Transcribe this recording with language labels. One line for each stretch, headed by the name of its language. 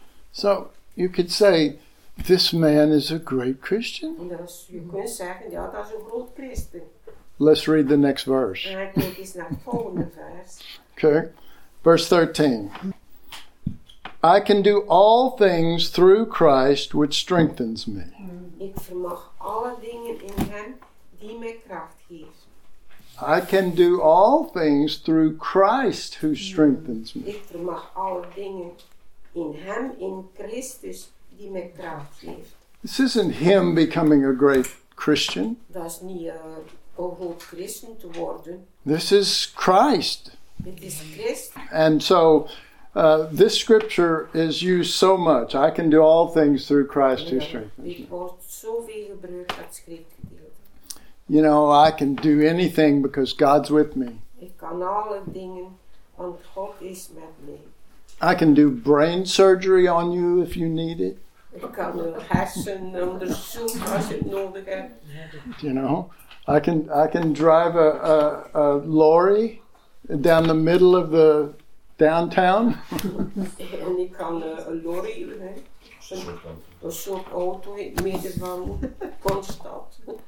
English: So, you could say, this man is a great Christian.
Dutch: Dus je kunt zeggen, ja, dat is een groot christen.
English: Let's read the next verse.
Dutch: En kijk eens naar het volgende vers.
English: Okay, verse 13. I can do all things through Christ which strengthens me.
Dutch: Ik vermag alle dingen in hem die mij kracht geeft.
English: I can do all things through Christ who strengthens me.
Dutch: Ik vermag alle dingen in hem, in Christus, die mij kracht geeft.
English: This isn't him becoming a great Christian.
Dutch: Dat is niet een groot christen te worden.
English: This is Christ.
Dutch: Dit is Christus.
English: And so this scripture is used so much. I can do all things through Christ who strengthens me.
Dutch: Dit wordt zoveel gebruikt, dat schrift.
English: You know, I can do anything because God's with me.
Dutch: Ik kan alle dingen, want God is met me.
English: I can do brain surgery on you if you need it.
Dutch: Ik kan een hersenonderzoek als ik nodig heb.
English: You know, I can drive a lorry down the middle of the downtown.
Dutch: En ik kan een lorry, een soort auto in het midden van Konstad.